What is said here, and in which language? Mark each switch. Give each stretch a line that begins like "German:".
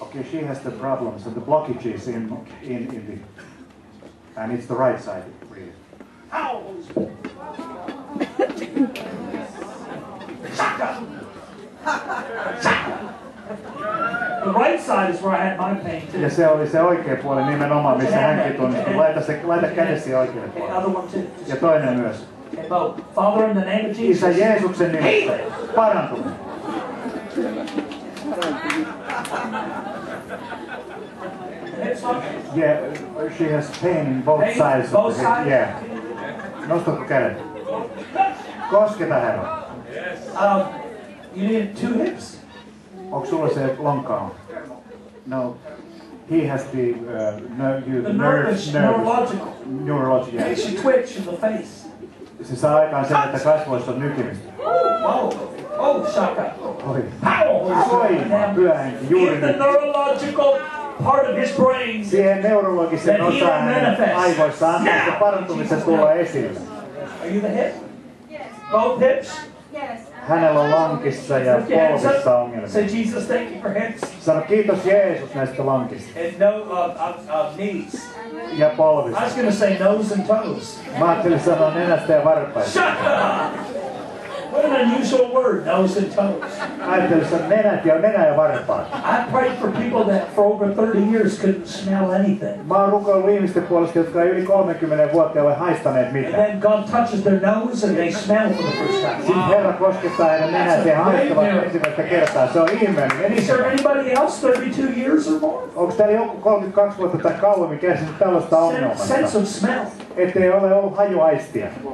English: She has the problems and the blockages in the... And it's the right side, really. Ow! Shaka! The right side is where I had my pain too.
Finnish: Ja se oli se oikea puoli nimenomaan, missä hänkin tunnistui. Laita kädesi oikealle puolelle.
English: Okay,
Finnish: ja toinen myös.
English: Okay, Father, in the name of Jesus.
Finnish: Isä Jeesuksen nimessä. Parantu.
English: Yeah, she has pain in both sides. Both sides? Yeah.
Finnish: Nostatko kädet? Kosketa, Herra.
English: Yes. You need two hips?
Finnish: Onko sulla se lonkka?
English: No. He has the neurological. Yes. She twitch in the face.
Finnish: Se saa aikaan sen, että kasvoissa on nykimistä. Oh, shaka. Oi. Soi, pyhä henki, juuri
English: nyt. In the neurological part of his brain.
Finnish: Siihen neurologisen osaan aivoissa antaa se parantumisen tulla esille.
English: Are you the hip? Yes. Both hips? Yes.
Finnish: Hänellä on lankissa ja polvissa ongelmia.
English: Say Jesus, thank you for hips.
Finnish: Sano kiitos Jeesus näistä lankista.
English: And no knees.
Finnish: Ja polvissa.
English: I was gonna say nose and toes.
Finnish: Mä ajattelin sanoa nenästä ja varpaista.
English: Shut up! What an unusual word, nose and toes.
Finnish: Ajattelin sanoa nenä ja varpaista.
English: I prayed for people that for over 30 years couldn't smell anything.
Finnish: Mä oon rukoillut ihmisten puolesta, jotka yli 30 vuotta ei ole haistaneet mitään.
English: And then God touches their nose and they smell for the first time.
Finnish: Sitten Herra koskettaa heidän nenää, he haistavat ensimmäistä kertaa. Se on ihmeellinen.
English: Is there anybody else 32 years or more?
Finnish: Onko täällä joku 32 vuotta tai kauemmin kärsinyt tällaista ongelmasta?
English: Sense of smell.
Finnish: Ettei ole ollut hajuaistia.